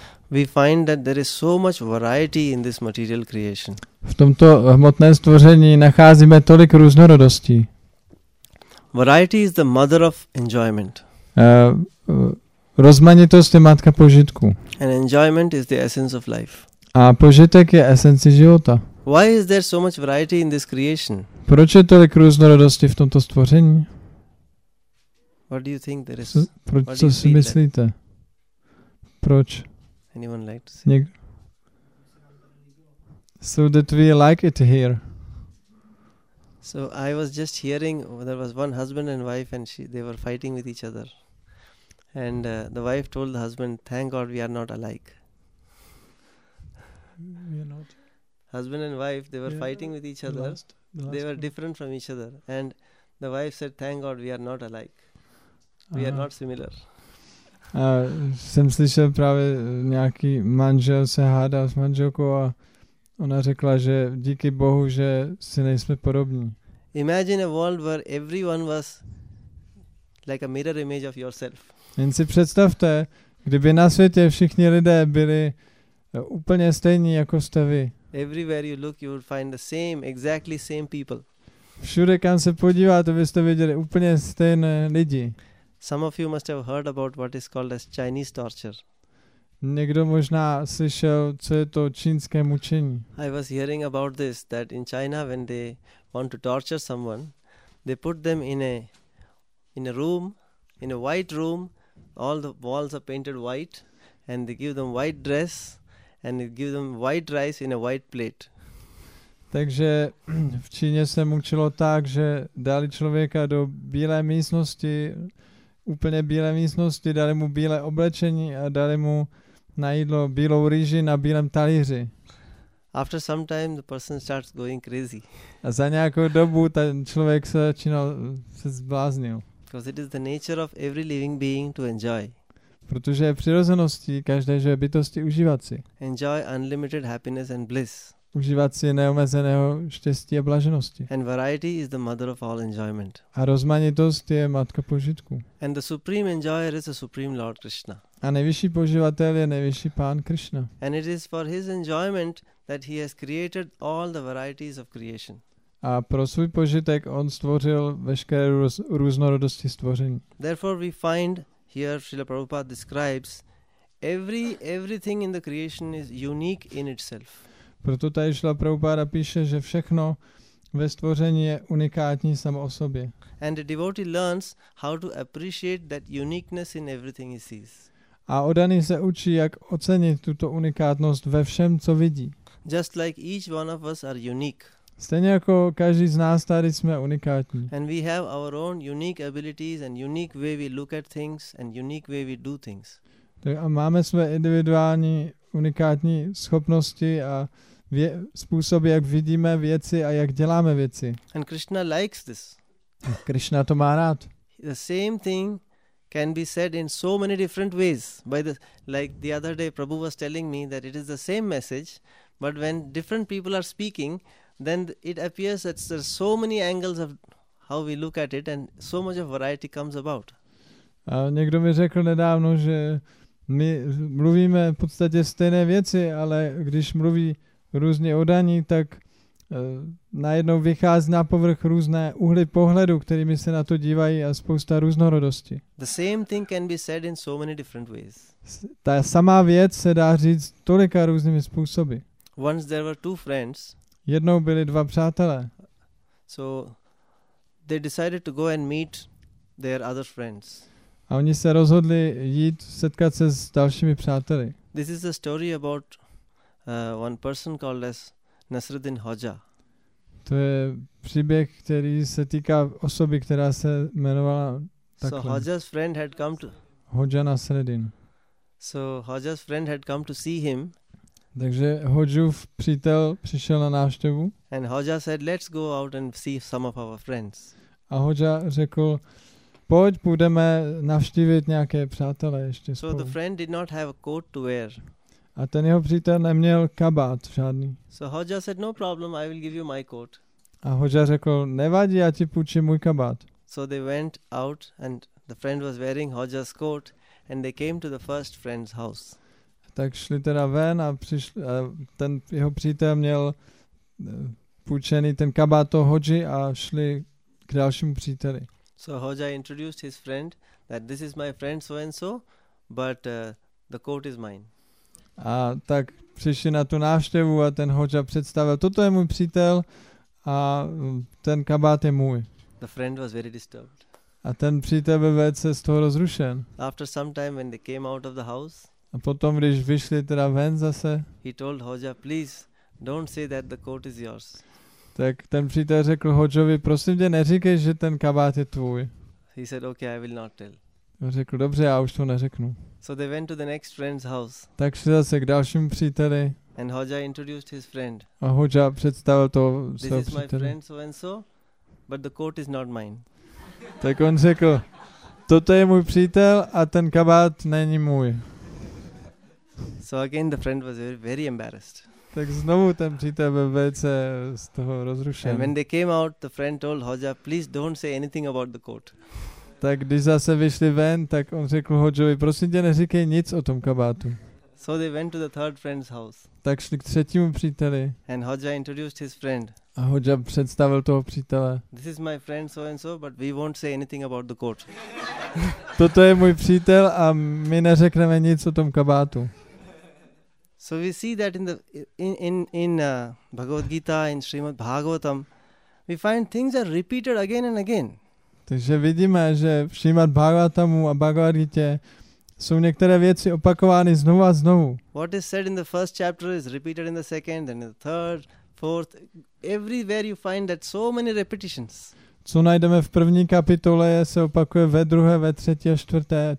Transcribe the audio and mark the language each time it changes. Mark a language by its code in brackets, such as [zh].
[en] We find that there is so much variety in this material creation. [cs] V tomto hmotném stvoření nacházíme tolik různorodostí. [en] Variety is the mother of enjoyment. [cs] Rozmanitost je matka požitku. [en] And enjoyment is the essence of life. [cs] A požitek je esenci života. [en] Why is there so much variety in this creation? [cs] Proč je tolik různorodosti v tomto stvoření? [en] What do you think there is? [cs] Co si myslíte? Proč? [en] Anyone like to see? So that we like it here. So I was just hearing there was one husband and wife and they were fighting with each other. And the wife told the husband, "Thank God we are not alike." We are not. Husband and wife, they were fighting with each other. They were different from each other. And The wife said, thank God we are not alike. We are not similar. [cs] A jsem slyšel právě nějaký manžel se hádal s manželkou a ona řekla, že díky Bohu, že si nejsme podobní. [en] Imagine a world where everyone was like a mirror image of yourself. [cs] Jen si představte, kdyby na světě všichni lidé byli úplně stejní jako jste vy. [en] Everywhere you look, you would find the same, exactly same people. [cs] Všude, kam se podíváte, byste viděli úplně stejné lidi. [en] Some of you must have heard about what is called as Chinese torture. [cs] Někdo možná slyšel, co je to čínské mučení. [en] I was hearing about this, that in China, when they want to torture someone, they put them in a room, in a white room, all the walls are painted white, and they give them white dress, and they give them white rice in a white plate. [cs] Takže v Číně se mučilo tak, že dali člověka do bílé místnosti, úplně bílé místnosti, dali mu bílé oblečení a dali mu na jídlo bílou rýži na bílém talíři. [en] After some time, the person starts going crazy. [cs] A za nějakou dobu ten člověk se začínal se zbláznil. [en] Because it is the nature of every living being to enjoy. [cs] Protože je přirozeností každé živé bytosti užívat si. [en] Enjoy unlimited happiness and bliss. [cs] Užívat si neomezeného štěstí a blaženosti. [en] And variety is the mother of all enjoyment. [cs] A rozmanitost je matka požitku. [en] And the supreme enjoyer is the supreme Lord Krishna. [cs] A nejvyšší poživatel je nejvyšší pán Krishna. [en] And it is for his enjoyment that he has created all the varieties of creation. [cs] A pro svůj požitek on stvořil veškeré různorodosti stvoření. [en] Therefore we find here Srila Prabhupada describes everything in the creation is unique in itself. [cs] Proto tady Srila Prabhupada píše, že všechno ve stvoření je unikátní samo o sobě. [en] And the devotee learns how to appreciate that uniqueness in everything he sees. [cs] A oddaný se učí, jak ocenit tuto unikátnost ve všem, co vidí. [en] Just like each one of us are unique. [cs] Stejně jako každý z nás tady jsme unikátní. [en] And we have our own unique abilities and unique way we look at things and unique way we do things. [cs] Tak a máme své individuální unikátní schopnosti a způsoby, jak vidíme věci a jak děláme věci. [en] And Krishna likes this. [cs] A Krishna to má rád. [en] The same thing can be said in so many different ways. By the, like the other day, Prabhu was telling me that it is the same message, but when different people are speaking, then it appears that there are so many angles of how we look at it, and so much of variety comes about. [cs] A někdo mi řekl nedávno, že my mluvíme v podstatě stejné věci, ale když mluví různě oddaní, tak najednou vychází na povrch různé úhly pohledu, kterými se na to dívají a spousta různorodosti. [en] The same thing can be said in so many different ways. [cs] Ta samá věc se dá říct tolika různými způsoby. [en] Once there were two friends. [cs] Jednou byli dva přátelé. [en] So they decided to go and meet their other friends. [cs] A oni se rozhodli jít setkat se s dalšími přáteli. [en] This is a story about one person called as Nasruddin Hoja. [cs] To je příběh, který se týká osoby, která se jmenovala takhle. [en] So Hoja's friend had come to Hoja Nasruddin. So Hoja's friend had come to see him. [cs] Takže Hojův přítel přišel na návštěvu. [en] And Hoja said, "Let's go out and see some of our friends." [cs] A Hoja řekl, pojď, půjdeme navštívit nějaké přátelé ještě spolu. [en] So the friend did not have a coat to wear. [cs] A ten jeho přítel neměl kabát žádný. [en] So Hoja said, "No problem, I will give you my coat." [cs] A Hoja řekl, nevadí, já ti půjčím můj kabát. [en] So they went out and the friend was wearing Hoja's coat and they came to the first friend's house. [cs] Tak šli teda ven a přišli, a ten jeho přítel měl půjčený ten kabát toho Hoji a šli k dalšímu příteli. [en] So Hoja introduced his friend that this is my friend so and so, but the coat is mine. [cs] A tak přišli na tu návštěvu a ten Hoja představil, toto je můj přítel a ten kabát je můj. [en] The friend was very disturbed. [cs] A ten přítel byl velice z toho rozrušen. [en] After some time when they came out of the house. [cs] A potom, když vyšli teda ven zase. [en] He told Hoja, please don't say that the coat is yours. [cs] Tak ten přítel řekl Hojovi, prosím tě, neříkej, že ten kabát je tvůj. [en] He said, okay, I will not tell. [cs] Řekl, dobře, já už to neřeknu. [en] So they went to the next friend's house. [cs] Tak šli zase k dalšímu příteli. [en] And Hoja introduced his friend. [cs] A Hoja představil toho svého příteli. [en] This is my friend so and so, but the coat is not mine. [cs] Tak on řekl, toto je můj přítel a ten kabát není můj. [en] So again the friend was very, very embarrassed. [cs] Tak znovu ten přítel byl velice z toho rozrušen. [en] And when they came out, the friend told Hoja, please don't say anything about the coat. [cs] Tak když zase vyšli ven, tak on řekl Hojovi, prosím tě, neříkej nic o tom kabátu. [en] So they went to the third friend's house. [cs] Tak šli k třetímu příteli. [en] And Hoja introduced his friend. [cs] A Hoja představil toho přítele. [en] This is my friend so and so, but we won't say anything about the coat. [cs] Toto je můj přítel a my neřekneme nic o tom kabátu. [en] So we see that in Bhagavad Gita, in Srimad Bhagavatam, we find things are repeated again and again. [cs] Takže vidíme, že v Srimad Bhagavatamu a Bhagavad Gita jsou některé věci opakovány znovu a znovu. [en] What is said in the first chapter is repeated in the second, then in the third, fourth, everywhere you find that so many repetitions. [cs] Co najdeme v první kapitole, se opakuje ve druhé, ve třetí a čtvrté.